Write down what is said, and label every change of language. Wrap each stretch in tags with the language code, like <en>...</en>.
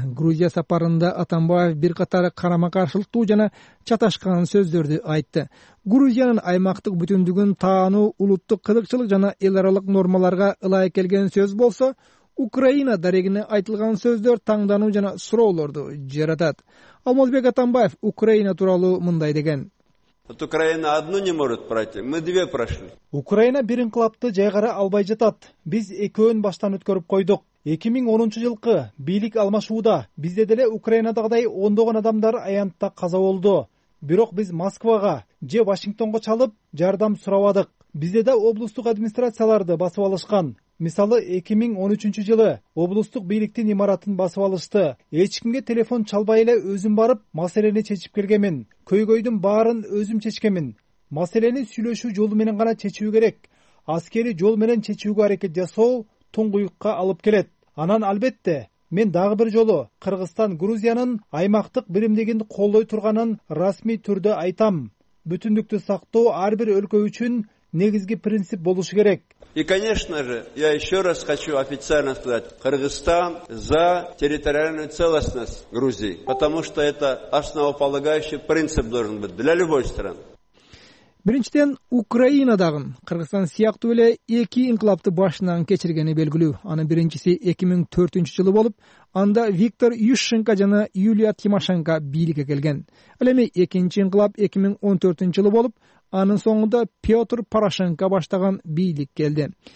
<ky>Грузия сапарында Атамбаев бир катар карама-каршылыктуу жана чаташкан сөздөрдү айтты. Грузиянын аймактык бүтүндүгүн таануу улуттук кызыкчылык жана эл аралык нормаларга ылайык келген сөз болсо, Украина дарегине айтылган сөздөр таңдануу жана суроолорду жаратат. Алмазбек Атамбаев Украина тууралуу мындай деген:</ky> <ru>Вот Украина одну не может пройти, мы две прошли.</ru> <ky>Украина бир инкылапты жайгара албай жатат. Биз экөөн баштан өткөрүп койдук. 2010 жылкы бийлик алмашууда бизде деле Украинадагыдай ондогон адамдар аянтта каза болду. Бирок биз Москвага же Вашингтонго чалып жардам сурабадык. Бизде да облустук администрацияларды басып алышкан. Мисалы 2013 жылы облустук бийликтин имаратын басып алышты. Эч кимге телефон чалбай эле өзүм барып маселени чечип келгемин. Көйгөйдүн баарын өзүм чечкемин. Маселени сүйлөшүү жолу менен гана чечүү керек. Аскери жол менен чечүүгө аракет жасоо туңгуюкка алып келет. Анан албетте мен дагы бир жолу Кыргызстан Грузиянын аймактык биримдигин колдой турганын расмий түрдө айтам. Бүтүндүктү сактоо ар бир өлкө үчүн негизги принцип болушу керек.</ky> <ru>И, конечно же, я еще раз хочу официально сказать, Кыргызстан за территориальную целостность Грузии, потому что это основополагающий принцип должен быть для любой страны.</ru> <ky>Биринчиден, Украинадагы Кыргызстан сыяктуу эле эки инкылапты башынан кечиргени белгилүү. Анын биринчиси 2004 жылы болуп, анда Виктор Ющенко жана Юлия Тимошенко бийликке келген. Ал эми экинчи инкылап 2014 жылы болуп, анын соңунда Петр Порошенко баштаган бийлик келди.</ky>